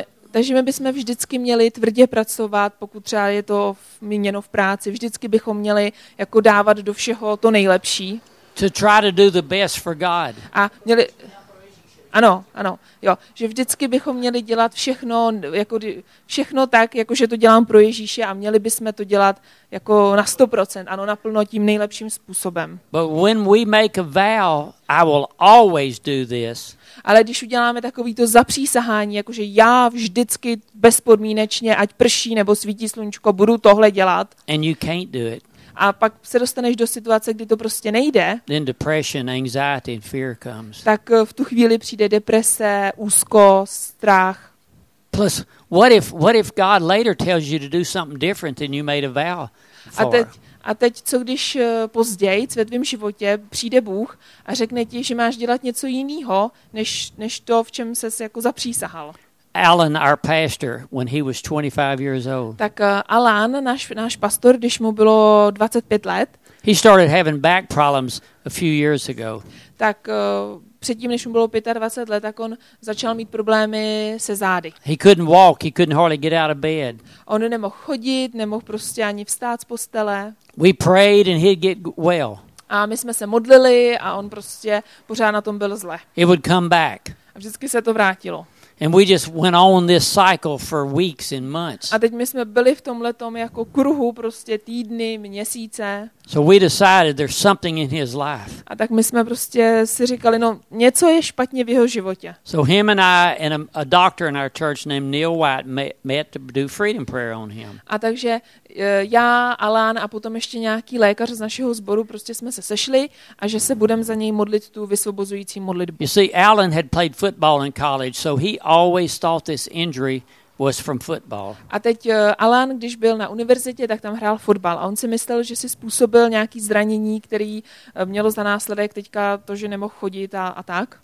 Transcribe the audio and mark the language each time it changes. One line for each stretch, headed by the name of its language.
Czech: Takže my bychom vždycky měli tvrdě pracovat, pokud třeba je to míněno v práci. Vždycky bychom měli jako dávat do všeho to nejlepší.
English: To try to do the best for God.
Czech: A měli, ano, ano, jo. Že vždycky bychom měli dělat všechno, jako všechno tak, jako že to dělám pro Ježíše, a měli bychom to dělat jako na 100%, ano, naplno tím nejlepším způsobem.
English: But when we make a vow, I will always do this.
Czech: Ale když uděláme takový to zapřísahání, jakože já vždycky bezpodmínečně, ať prší nebo svítí slunčko, budu tohle dělat.
English: And you can't do it.
Czech: a pak se dostaneš do situace, kdy to prostě nejde,
English: then depression, anxiety and fear comes.
Czech: Tak v tu chvíli přijde deprese, úzkost, strach.
English: Plus, what if God later tells you to do something different than you made a vow for?
Czech: A teď, co když později ve tvém životě přijde Bůh a řekne ti, že máš dělat něco jiného, než to, v čem ses jako zapřísahal.
English: Alan, our pastor, when he was 25 years old.
Czech: Tak Alan, náš pastor, když mu bylo 25 let.
English: He started having back problems a few years ago.
Czech: Tak předtím, než mu bylo 25 let, tak on začal mít problémy se zády.
English: He couldn't walk, he couldn't hardly get out of bed.
Czech: On nemohl chodit, nemohl prostě ani vstát z postele.
English: We prayed and he'd get well.
Czech: A my jsme se modlili a on prostě pořád na tom byl zle.
English: He would come back.
Czech: A vždycky se to vrátilo.
English: And we just went on this cycle for weeks and months.
Czech: A teď my jsme byli v tomhle tom jako kruhu prostě týdny, měsíce.
English: So we decided there's something in his life.
Czech: A tak my jsme prostě si říkali, no něco je špatně v jeho životě.
English: So him and I and a doctor in our church named Neil White met to do freedom prayer on him.
Czech: A takže já, Alan a potom ještě nějaký lékař z našeho sboru prostě jsme se sešli a že se budeme za něj modlit tu vysvobozující modlitbu.
English: You see, Alan had played football in college, so he always thought this injury was from football.
Czech: A teď Alan, když byl na univerzitě, tak tam hrál fotbal a on si myslel, že si způsobil nějaký zranění, který mělo za následek teďka to, že nemohl chodit a tak.